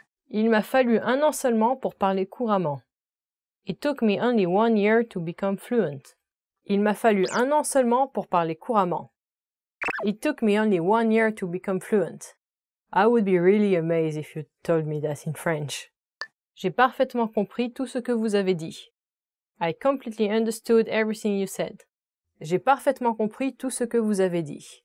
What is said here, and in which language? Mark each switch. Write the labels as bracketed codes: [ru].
[fr] Il m'a fallu un an seulement pour parler couramment. [en] It took me only 1 year to become fluent. [fr] Il m'a fallu un an seulement pour parler couramment. [en] It took me only 1 year to become fluent. I would be really amazed if you told me that in French. [fr] J'ai parfaitement compris tout ce que vous avez dit. [en] I completely understood everything you said. [fr] J'ai parfaitement compris tout ce que vous avez dit.